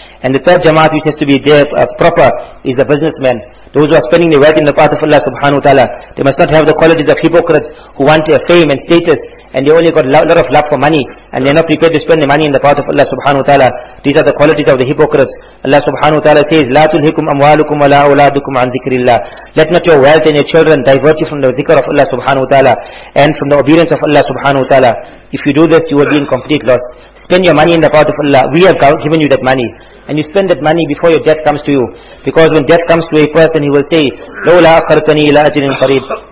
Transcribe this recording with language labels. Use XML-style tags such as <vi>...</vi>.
<en>And the third jamaat which has to be there proper is the businessman. Those who are spending their wealth in the path of Allah subhanahu wa ta'ala, they must not have the qualities of hypocrites who want fame and status, and they only got a lot of love for money, and they are not prepared to spend the money in the path of Allah subhanahu wa ta'ala. These are the qualities of the hypocrites. Allah subhanahu wa ta'ala says,</en> <ar>لَا تُلْهِكُمْ أَمْوَالُكُمْ وَلَا أَوْلَادُكُمْ عَنْ ذِكْرِ اللَّهِ.</ar> <en>Let not your wealth and your children divert you from the dhikr of Allah subhanahu wa ta'ala and from the obedience of Allah subhanahu wa ta'ala. If you do this, you will be in complete loss. Spend your money in the path of Allah. We have given you that money, and you spend that money before your death comes to you. Because when death comes to a person, he will say,</en> <ar>لَوْلَا أَخَّرْتَنِي إِلَىٰ أَجْلٍ قَرِيبٍ.</ar>